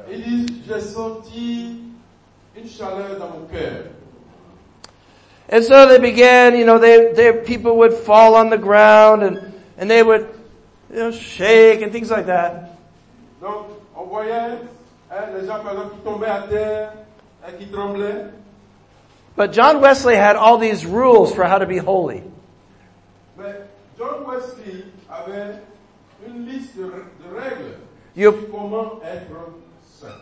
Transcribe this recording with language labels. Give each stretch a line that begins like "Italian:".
French: Ils disent, j'ai senti une chaleur dans mon cœur.
English: And so they began, you know, their people would fall on the ground and they would, you know, shake and things like that.
French: Donc, on voyait les gens, par exemple, qui tombaient à terre et qui tremblaient.
English: But John Wesley had all these rules for how to be holy.
French: Mais John Wesley avait une liste de règles sur comment être saint.